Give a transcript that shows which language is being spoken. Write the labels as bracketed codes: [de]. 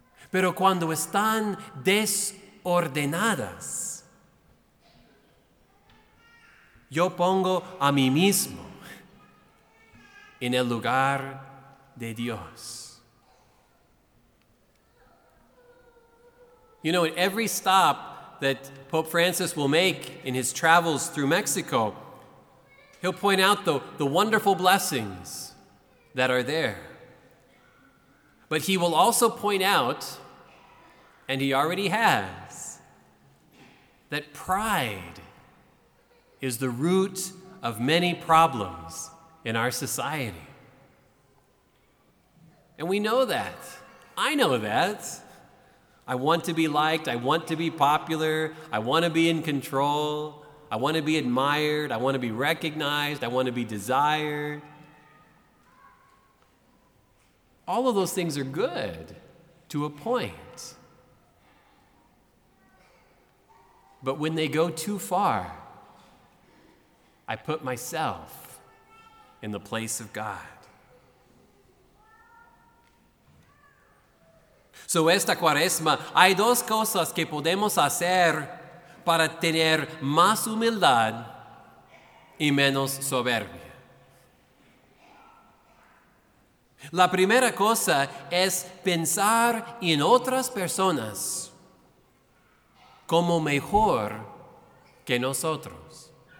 [es] Pero cuando están desordenadas, yo pongo a mí mismo en el lugar de Dios. [en] You know, at every stop that Pope Francis will make in his travels through Mexico, he'll point out the wonderful blessings that are there. But he will also point out, and he already has, that pride is the root of many problems in our society. And we know that. I know that. I want to be liked. I want to be popular. I want to be in control. I want to be admired. I want to be recognized. I want to be desired. All of those things are good to a point. But when they go too far, I put myself in the place of God. [es] So esta cuaresma, hay dos cosas que podemos hacer para tener más humildad y menos soberbia. La primera cosa es pensar en otras personas como mejor que nosotros.